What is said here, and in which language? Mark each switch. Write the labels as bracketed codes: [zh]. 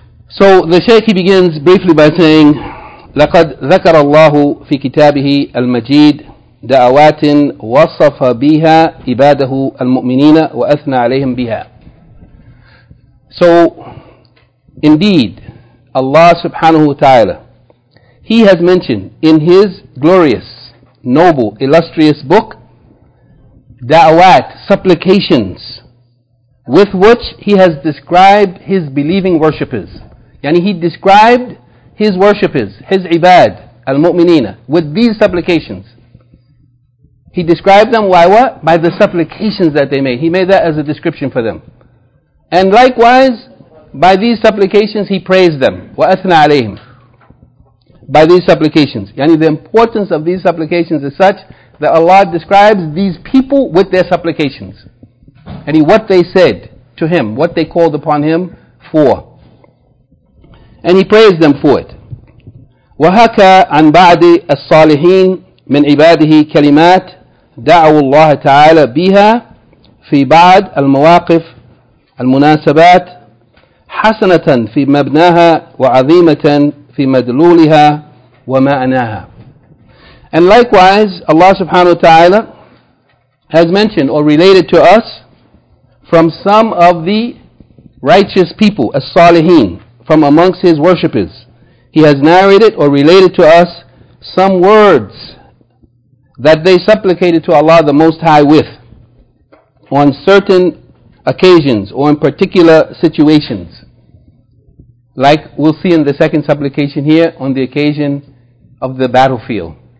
[en] So the Shaykh, he begins briefly by saying, [ar] لقد ذكر الله في كتابه المجيد دعوات وصف بها عباده المؤمنين وأثنى عليهم بها. [en] So indeed, Allah subhanahu wa ta'ala, He has mentioned in His glorious, noble, illustrious book, da'awat, supplications, with which He has described His believing worshippers. Yani He described His worshippers, His ibad, al-mu'minina, with these supplications. He described them, why what? By the supplications that they made. He made that as a description for them. And likewise, by these supplications, He praised them. [ar] وَأَثْنَى عَلَيْهِمْ [en] By these supplications. Yani the importance of these supplications is such that Allah describes these people with their supplications. And what they said to Him, what they called upon Him for. And He praised them for it. [ar] وَهَكَى عَنْ بَعْدِ الصَّالِحِينَ مِنْ عِبَادِهِ كَلِمَاتٍ دَعَوُوا اللَّهَ تَعَالَى بِهَا فِي بَعْدِ الْمَوَاقِفِ المناسبات حسنة في مبناها وعظيمة في مدلولها ومعناها. [en] And likewise, Allah subhanahu wa ta'ala has mentioned or related to us from some of the righteous people, as-salihin, from amongst His worshippers. He has narrated or related to us some words that they supplicated to Allah the Most High with on certain occasions or in particular situations, like we'll see in the second supplication here on the occasion of the battlefield.